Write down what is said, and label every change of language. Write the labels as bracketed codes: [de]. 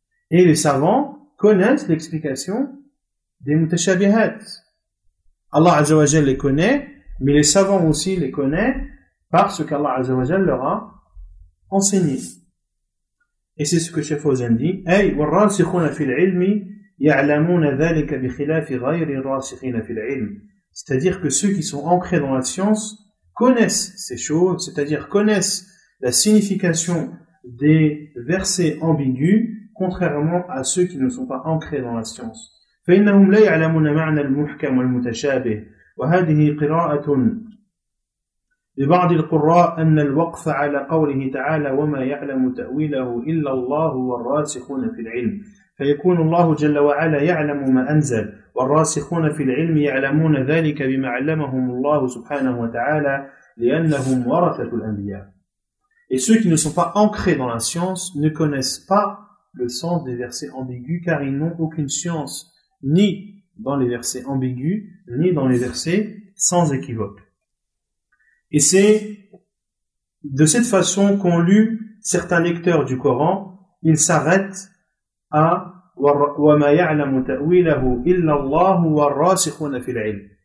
[fr] Et les savants connaissent l'explication des mutashabihat. Allah Azza wa Jal les connaît, mais les savants aussi les connaissent parce qu'Allah Azza wa Jal leur a enseigné. Et c'est ce que Cheikh Fawzan dit. [ar] Hey, والراسخون في العلم يعلمون ذلك بخلاف غير الراسخين في العلم. [fr] C'est-à-dire que ceux qui sont ancrés dans la science connaissent ces choses, c'est-à-dire connaissent la signification des versets ambigus, contrairement à ceux qui ne sont pas ancrés dans la science. [ar] فإنهم لا يعلمون معنى المحكم والمتشابه وهذه قراءة لبعض القراء أن الوقف على قوله تعالى وما يعلم تأويله إلا الله والراسخون في العلم فيكون الله جل وعلا يعلم ما أنزل والراسخون في العلم يعلمون ذلك بما علمهم الله سبحانه وتعالى لأنهم ورثة الأنبياء. [fr] Et ceux qui ne sont pas ancrés dans la science ne connaissent pas le sens des versets ambigus car ils n'ont aucune science ni dans les versets ambigus ni dans les versets sans équivoque. Et c'est de cette façon qu'ont lu certains lecteurs du Coran, ils s'arrêtent à [ar] وَمَا يَعْلَمُ تَأْوِيلَهُ إِلَّا اللَّهُ وَالرَّاسِخُونَ فِي الْعِلْمِ.